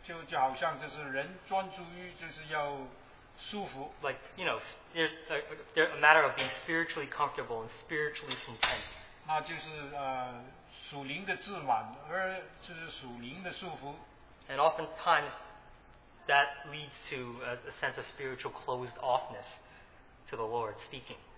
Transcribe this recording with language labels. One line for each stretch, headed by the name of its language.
Chinese: 我想这个就好像就是人专注于就是要
English: like, you know, there's a matter of being spiritually comfortable and spiritually content.
Chinese: 那就是属灵的自满，而就是属灵的束缚。
English: And oftentimes, that leads to a sense of spiritual closed offness to the Lord speaking.